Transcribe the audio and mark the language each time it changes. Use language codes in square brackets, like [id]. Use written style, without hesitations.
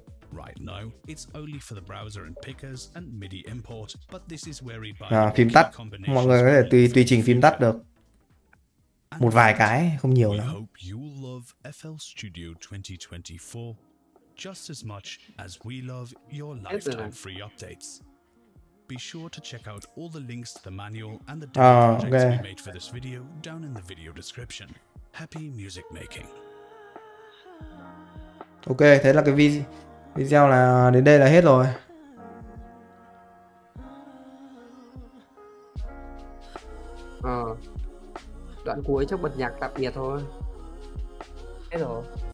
[en] Right now, it's only for the browser and pickers and MIDI import, but this is where we buy [vi] phím tắt. Mọi người có thể tùy chỉnh phím tắt được. Một vài cái, không nhiều lắm. [en] Hope you love FL Studio 2024 just as much as we love your lifetime free updates. Be sure to check out all the links to the manual and the demo projects we made for this video down in the video description. Happy music making. [vi] Ok, thế là cái video là đến đây là hết rồi. Đoạn cuối chắc bật nhạc đặc biệt thôi. Hết rồi.